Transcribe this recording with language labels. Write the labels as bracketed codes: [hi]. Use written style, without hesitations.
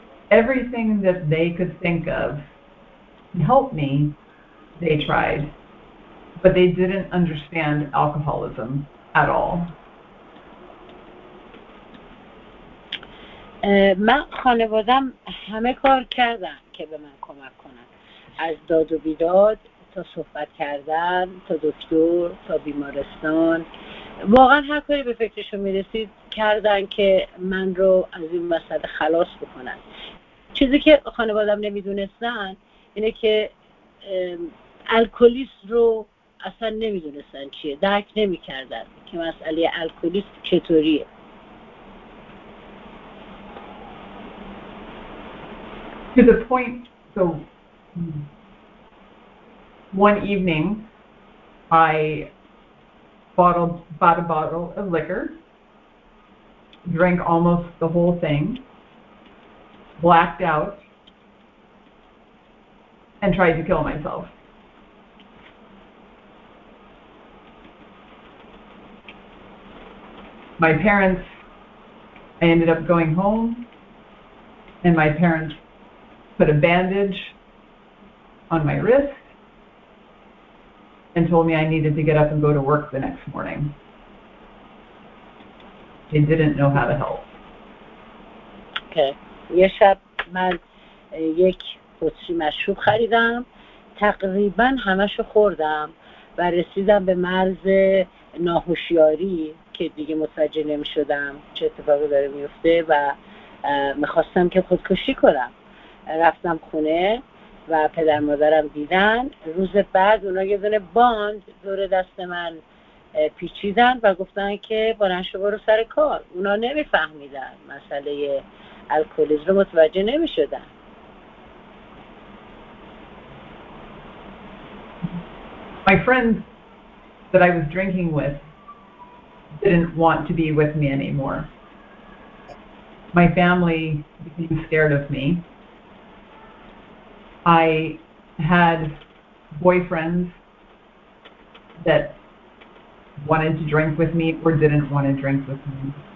[en] Everything that they could think of to help me, they tried. But they didn't understand alcoholism at all. [fa] من خانوادم همه کار کردن که به من کمک کنن، از داد و بیداد تا صحبت کردن تا دکتر تا بیمارستان، واقعا هر کاری به فکرشو میرسید کردن که من رو از این مسئله خلاص بکنن. چیزی که خانوادم نمیدونستن اینه که الکلیسم رو اصلا نمیدونستن چیه، درک نمیکردن که مسئله الکلیسم چطوریه. [en] To the point, so one evening I bought a bottle of liquor, drank almost the whole thing, blacked out, and tried to kill myself. My parents, I ended up going home, and my parents put a bandage on my wrist and told me I needed to get up and go to work the next morning. They didn't know how to help. [fa] Okay. یه شب من یک بطری مشروب خریدم، تقریبا همشو خوردم و رسیدم به مرز ناهوشیاری که دیگه متوجه نمی‌شدم چه اتفاقی داره می‌افته و می‌خواستم که خودکشی کنم. رفتم خونه و پدر مادرم دیدن. روز بعد اونا یه دونه باند دور دست من پیچیدن و گفتن که برن شو برو سر کار. اونا نمیفهمیدن مسئله الکلیسم رو، متوجه نمیشدن. [en] My friend that I was drinking with didn't want to be with me anymore. My family became scared of me. I had boyfriends that wanted to drink with me or didn't want to drink with me.